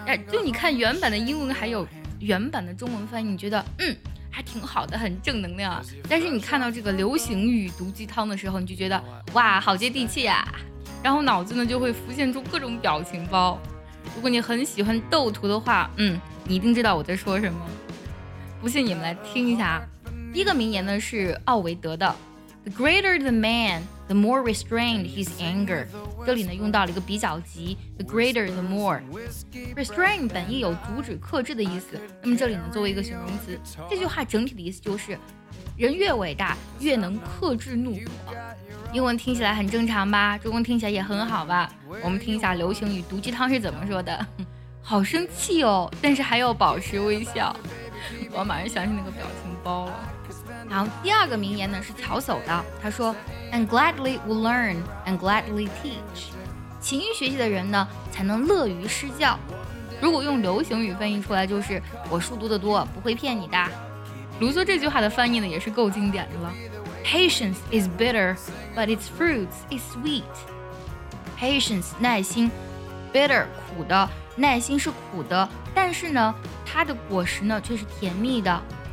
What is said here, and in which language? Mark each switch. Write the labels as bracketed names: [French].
[Chinese] 就你看原版的英文还有原版的中文翻译，你觉得还挺好的，很正能量啊。但是你看到这个流行语毒鸡汤的时候，你就觉得哇好接地气啊，然后脑子呢就会浮现出各种表情包。如果你很喜欢斗图的话，你一定知道我在说什么，不信你们来听一下。第一个名言呢是奥维德的 [English] The greater the man, the more restrained his anger。 [Chinese] 这里呢用到了一个比较级 The greater the more。Restrained 本意有阻止克制的意思，那么这里呢作为一个形容词，这句话整体的意思就是人越伟大越能克制怒火。英文听起来很正常吧，中文听起来也很好吧，我们听一下流行语毒鸡汤是怎么说的。好生气哦，但是还要保持微笑。我马上想起那个表情包了。好，第二个名言呢是乔叟的，他说 [English] And gladly will learn and gladly teach。 [Chinese] 勤于学习的人呢才能乐于施教，如果用流行语翻译出来就是我书读得多不会骗你的。卢梭这句话的翻译呢也是够经典的了， [English] Patience is bitter, but its fruits is sweet. [Chinese] Patience, 耐心 bitter, 苦的，耐心是苦的，但是呢它的果实呢却是甜蜜的。